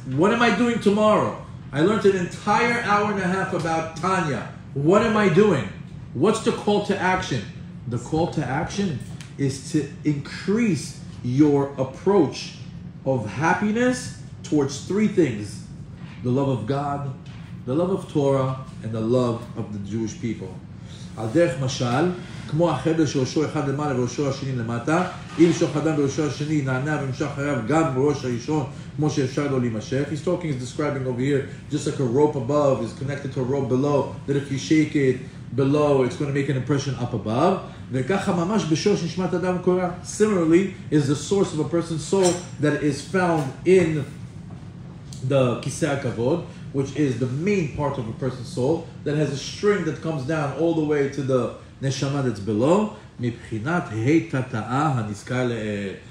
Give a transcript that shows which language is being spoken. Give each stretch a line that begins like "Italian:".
English: What am I doing tomorrow? I learned an entire hour and a half about Tanya. What am I doing? What's the call to action? The call to action is to increase your approach of happiness towards three things: the love of God, the love of Torah, and the love of the Jewish people.
Hebrew: Al derech mashal, כמו החבל שראשו אחד למעלה וראשו השני למטה, אם שוך אדם בראשו השני נענה ומשך עליו גם בראש הראשון, כמו שאפשר לו להימשך.
English: He's talking, he's describing over here, just like a rope above is connected to a rope below, that if you shake it below, it's going to make an impression up above.
Hebrew: וככה ממש בשורש נשמת אדם קורא.
English: Similarly, is the source of a person's soul that is found in the כיסא הכבוד, which is the main part of a person's soul, that has a string that comes down all the way to the neshama that's below,
Hebrew: mibchinat heitata'a haniskar le'el.